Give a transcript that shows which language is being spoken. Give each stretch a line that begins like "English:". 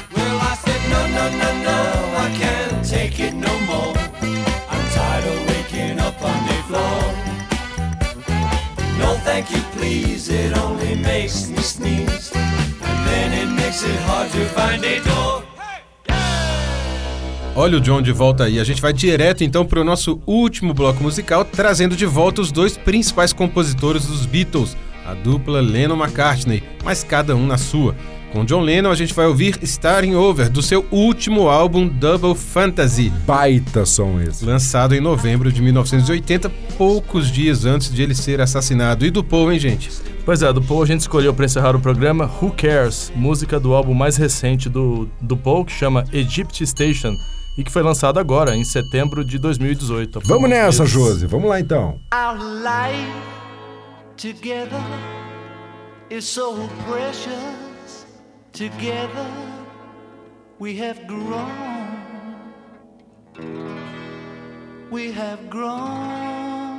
English: No, no, no, no, I can't take it no more. I'm tired of waking up on the floor. No, thank you, please, it only makes me sneeze. And then it makes it hard to find a door.
Portuguese: Olha o John de volta aí, a gente vai direto então para o nosso último bloco musical, trazendo de volta os dois principais compositores dos Beatles, a dupla Lennon-McCartney, mas cada um na sua. Com John Lennon a gente vai ouvir Starting Over, do seu último álbum Double Fantasy. Baita som esse. Lançado em novembro de 1980, poucos dias antes de ele ser assassinado. E do Paul, hein, gente? Pois é, do Paul a gente escolheu para encerrar o programa Who Cares, música do álbum mais recente do Paul, que chama Egypt Station, e que foi lançado agora, em setembro de 2018. Vamos nessa, Josi. Vamos lá, então.
English: Our life together is so precious. Together we have grown. We have grown.